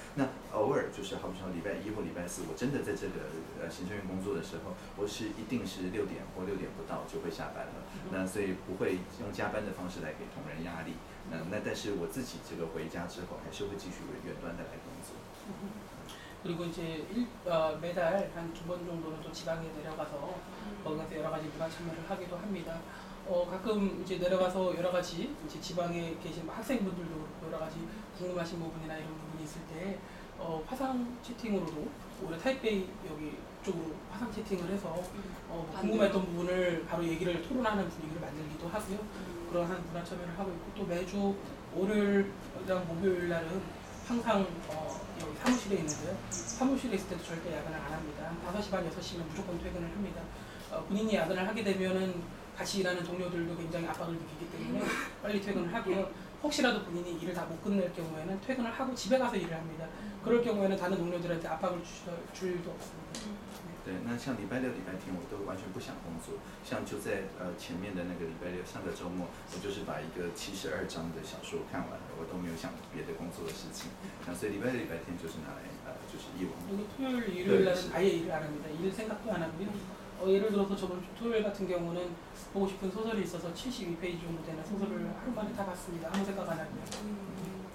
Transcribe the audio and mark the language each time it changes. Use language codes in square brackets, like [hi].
[zh] 那偶尔就是好比说礼拜一或礼拜四，我真的在这个行政院工作的时候，我是一定是6点或6点不到就会下班了。那所以不会用加班的方式来给同仁压力。那但是我自己这个回家之后，还是会继续远端的来工作。 [ko] 그리고 이제 매달 한 2번 정도는 또 지방에 내려가서 거기서 여러 가지 문화 참여를 하기도 합니다. 가끔 이제 내려가서 여러 가지 이제 지방에 계신 학생분들도 여러 가지 궁금하신 부분이나 이런 부분이 있을 때 화상 채팅으로도 우리 타이페이 여기 쪽으로 화상 채팅을 해서 궁금했던 부분을 바로 얘기를 토론하는 분위기를 만들기도 하고요. 그러한 문화 참여를 하고 있고 또 매주 월요일이랑 목요일 날은 항상 여기 사무실에 있는데요. 사무실에 있을 때도 절대 야근을 안 합니다. 5시 반, 6시면 무조건 퇴근을 합니다. 본인이 야근을 하게 되면은 같이 일하는 동료들도 굉장히 압박을 느끼기 때문에 빨리 퇴근을 하고요. 혹시라도 본인이 일을 다 못 끝낼 경우에는 퇴근을 하고 집에 가서 일을 합니다. 그럴 경우에는 다른 동료들한테 압박을 줄 일도 없습니다. [zh] 对，那像礼拜六、礼拜天，我都完全不想工作。像就在前面的那个礼拜六，上个周末，我就是把一个72章的小说看完了，我都没有想别的工作的事情。那所以礼拜六、礼拜天就是拿来就是义务。我 [ko] 토요일일요일날은아예일을안합니다일생각도안하고요예를들어서저번주토요일같은경우는보고싶은소설이있어서72페이지정도되는소설을하루만에다봤습니다아무생각안하고요